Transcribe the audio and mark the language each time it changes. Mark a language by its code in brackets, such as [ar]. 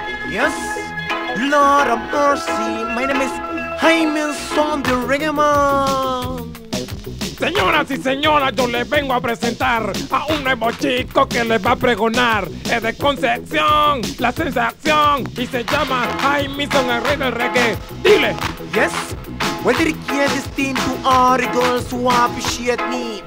[en] Yes, Lord of Mercy, my name is Jameson the Reggaeman. [es] Señoras y señoras, yo les vengo a presentar a un nuevo chico que les va a pregonar. Es de Concepción, la sensación, y se llama Jameson, el rey del reggae. Dile. [en] Yes. Well, did you get this thing to all the girls who appreciate me?